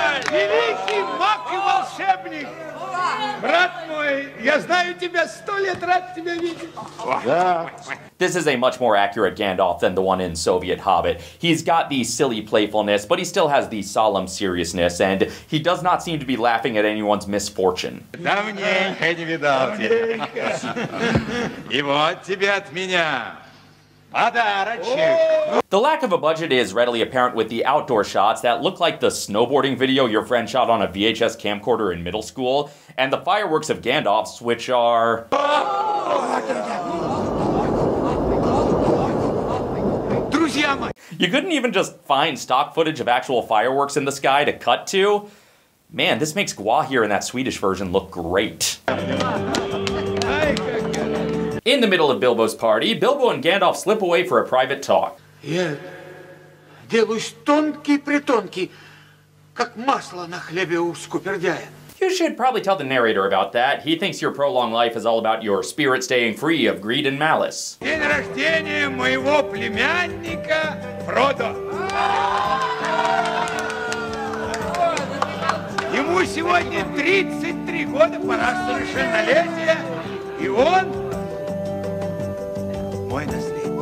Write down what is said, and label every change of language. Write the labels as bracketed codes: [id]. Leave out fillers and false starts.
[ru] Великий маг и волшебник! Брат мой, я знаю тебя 100 лет, рад тебя видеть! [en] This is a much more accurate Gandalf than the one in Soviet Hobbit. He's got the silly playfulness, but he still has the solemn seriousness, and he does not seem to be laughing at anyone's misfortune. [ru] Давненько не видал тебя. И вот тебе от меня. [en] The lack of a budget is readily apparent with the outdoor shots that look like the snowboarding video your friend shot on a VHS camcorder in middle school, and the fireworks of Gandalf's, which are... You couldn't even just find stock footage of actual fireworks in the sky to cut to? Man, this makes Gwa here in that Swedish version look great. In the middle of Bilbo's party, Bilbo and Gandalf slip away for a private talk. Yeah. [ru] Делаюсь тонкий-притонкий, как масло на хлебе у скупердяя. [en] You should probably tell the narrator about that. He thinks your prolonged life is all about your spirit staying free of greed and malice. [ru] День рождения моего племянника Фродо. Ему сегодня 33 года, пора совершеннолетия, и он мой наследник.